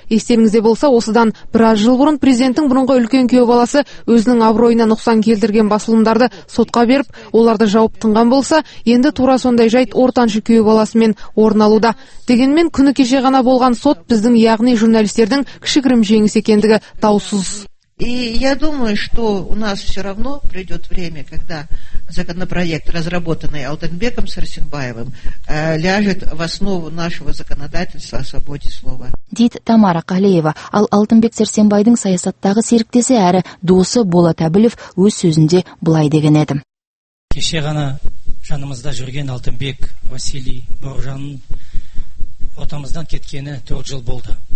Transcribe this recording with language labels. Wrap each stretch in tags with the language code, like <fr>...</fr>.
<kk>Естеріңізде болса, осыдан біраз жыл бұрын президенттің бұрынғы үлкен күйеу баласы өзінің абыройына нұқсан келтірген басылымдарды сотқа беріп, оларды жауып тынған болса, енді тура сондай жайт ортаншы күйеу баласымен орын алуда. Дегенмен күні кеше ғана болған сот біздің, яғни журналистердің кішігірім жеңіс екендігі даусыз.</kk> <ru>И я думаю, что у нас все равно придет время, когда законопроект, разработанный Алтынбеком Сәрсенбаевым, ляжет в основу нашего законодательства о свободе слова.</ru> <kk>Дейді Тамара Қалеева. Ал Алтынбек Сәрсенбайдың саясаттағы серіктесі әрі досы Болат Әбілев өз сөзінде былай деген еді. Кеше ғана жанымызда жүрген Алтынбек Василий Бауыржанның отамыздан кеткені 4 жыл болды.</kk>